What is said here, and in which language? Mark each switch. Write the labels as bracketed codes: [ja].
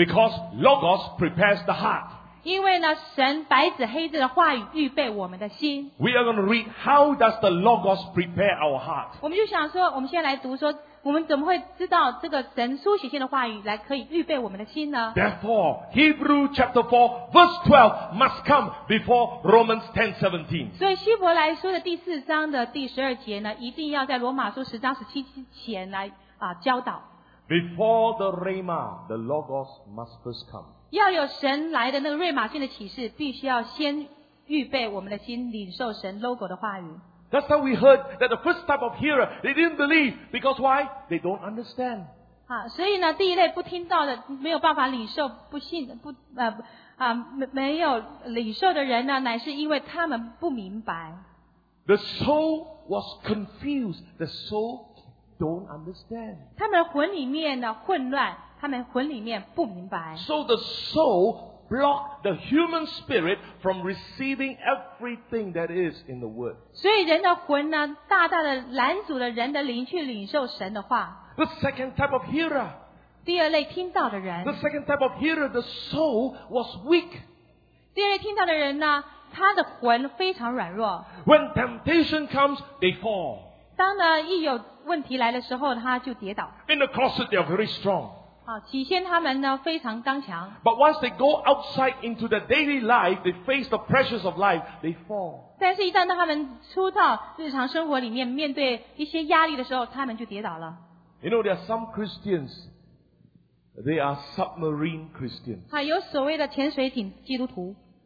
[en] Because Logos prepares the heart. [zh] 因为呢神白纸黑字的话语预备我们的心。 [en] We are going to read how does the Logos prepare our heart. [zh] 我们就想说我们先来读说我们怎么会知道这个神书写性的话语来可以预备我们的心呢 [en] Therefore, Hebrew chapter 4 verse 12 must come before Romans 10:17. [zh] 所以希伯来书的第四章的第十二节呢一定要在罗马书十章十七节前来教导。 [en] Before the Rhema, the Logos must first come. [zh] 要有神来的那个瑞玛性的启示必须要先预备我们的心领受神 Logo 的话语 [en] That's how we heard that the first type of hearer they didn't believe because why? They don't understand [zh] 所以呢第一类不听到的没有办法领受不信不没有领受的人呢乃是因为他们不明白 [en] The soul was confused The soul don't understand [zh] 他们魂里面的混乱他们魂里面不明白。 [en] So the soul blocked the human spirit from receiving everything that is in the word. [zh] 所以人的魂呢，大大的拦阻了人的灵去领受神的话。 [en] The second type of hearer. [zh] 第二类听到的人。 [en] The second type of hearer, the soul was weak. [zh] 第二类听到的人呢，他的魂非常软弱。 [en] When temptation comes, they fall. [zh] 当呢一有问题来的时候，他就跌倒。 [en] In the closet, they are very strong. [zh] 起先他们呢非常刚强。 [en] But once they go outside into the daily life, they face the pressures of life, they fall. [zh] 但是一旦他们出到日常生活里面面对一些压力的时候他们就跌倒了。 [en] You know, there are some Christians, they are submarine Christians. [zh] 有所谓的潜水艇基督徒。